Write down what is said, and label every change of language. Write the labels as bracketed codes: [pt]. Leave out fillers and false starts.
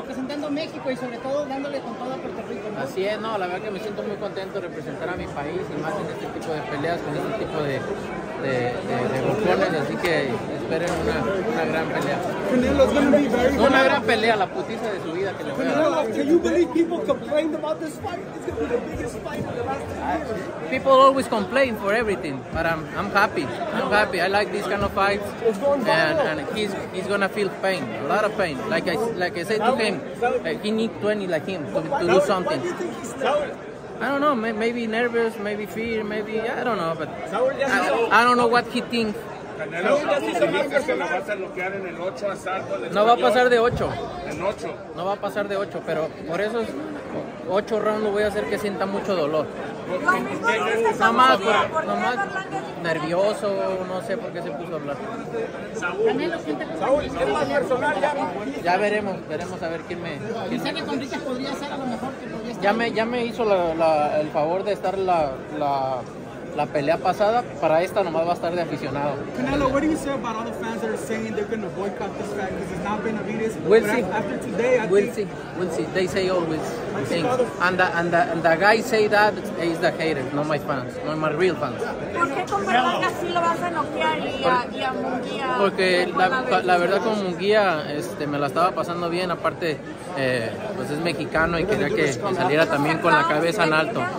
[es] Representando México y sobre todo dándole con todo a Puerto Rico. Así es, no, la verdad que me siento muy contento de representar a mi país y más en este tipo de peleas, con este tipo de... de así que esperen una gran pelea. [en] Canelo's gonna be very good. [es] Una gran pelea, la putiza de su vida que le voy a dar. [en] Canelo, can you believe people complained about this fight? It's gonna be the biggest fight in the last 2 years. People always complain for everything, but I'm happy. I'm happy. I like these kind of fights. It's going viral. And he's gonna feel pain, a lot of pain. Like I said to him, he need 20 like him to do something. I don't know, maybe nervous, maybe fear, maybe, I don't know, but I don't know what he thinks. [es] Canelo, ¿tú dices que se la vas a bloquear en el 8 asalto? No va a pasar de 8. ¿En 8? No va a pasar de 8, pero por esos 8 rounds lo voy a hacer que sienta mucho dolor. Nomás, nervioso, no sé por qué se puso a hablar. Saúl, ¿qué más personal? Ya veremos a ver quién me... Pensé que con Rita podría ser a lo mejor que... Ya me hizo el favor de estar la pelea pasada, para esta nomás va a estar de aficionado. [en] Canelo, what do you say about all the fans that are saying they're going to boycott this fight because it's not Benavides? We'll see. After today, we'll see. They say always things. And the guy say that is the haters, not my fans, not my real fans. [es] ¿Por qué con Berlanga sí lo vas a noquear y a Munguía? Porque la verdad con Munguía me la estaba pasando bien, aparte pues es mexicano y quería que saliera también con la cabeza en alto.